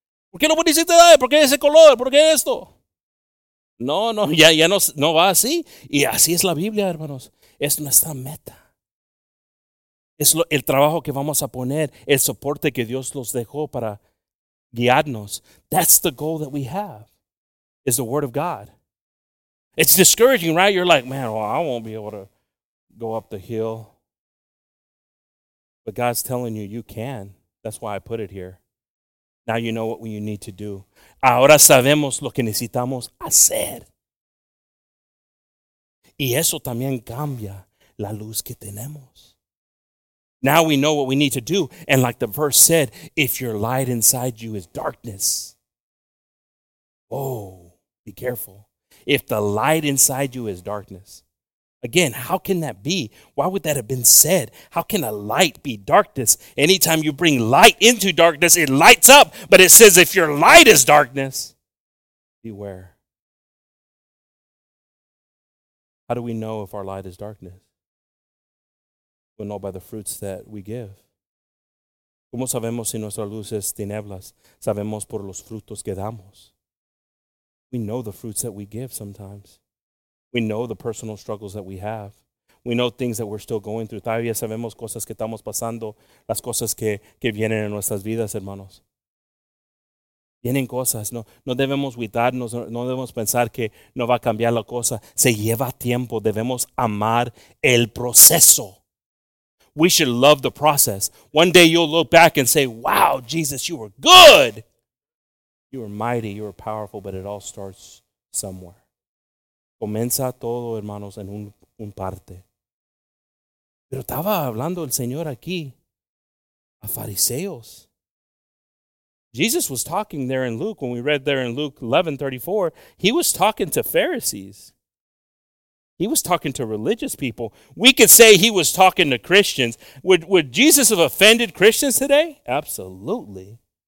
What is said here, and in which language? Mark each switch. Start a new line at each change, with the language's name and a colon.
Spanish: ¿Por qué no pusiste nada? ¿Por qué ese color? ¿Por qué esto? No, ya no va así. Y así es la Biblia, hermanos. Es nuestra meta. Es el trabajo que vamos a poner, el soporte que Dios los dejó para guiarnos.
English: That's the goal that we have, is the Word of God. It's discouraging, right? You're like, man, well, I won't be able to go up the hill. But God's telling you, you can. That's why I put it here. Now you know what you need to do.
Spanish: Ahora sabemos lo que necesitamos hacer. Y eso también cambia la luz que tenemos.
English: Now we know what we need to do. And like the verse said, if your light inside you is darkness, oh, be careful. If the light inside you is darkness. Again, how can that be? Why would that have been said? How can a light be darkness? Anytime you bring light into darkness, it lights up. But it says if your light is darkness, beware. How do we know if our light is darkness? We know by the fruits that we give.
Spanish: ¿Cómo sabemos si nuestra luz es tinieblas? Sabemos por los frutos que damos.
English: We know the fruits that we give sometimes. We know the personal struggles that we have. We know things that we're still going through.
Spanish: Todavía sabemos cosas que estamos pasando, las cosas que vienen en nuestras vidas, hermanos. Vienen cosas. No debemos cuidarnos, no debemos pensar que no va a cambiar la cosa. Se lleva tiempo. Debemos amar el proceso.
English: We should love the process. One day you'll look back and say, wow, Jesus, you were good. You are mighty, you are powerful, but it all starts somewhere.
Spanish: Comienza todo, hermanos, en un parte. Pero estaba hablando el Señor aquí a fariseos.
English: Jesus was talking there in Luke, when we read there in Luke 11:34, he was talking to Pharisees. He was talking to religious people. We could say he was talking to Christians. Would Jesus have offended Christians today? Absolutely.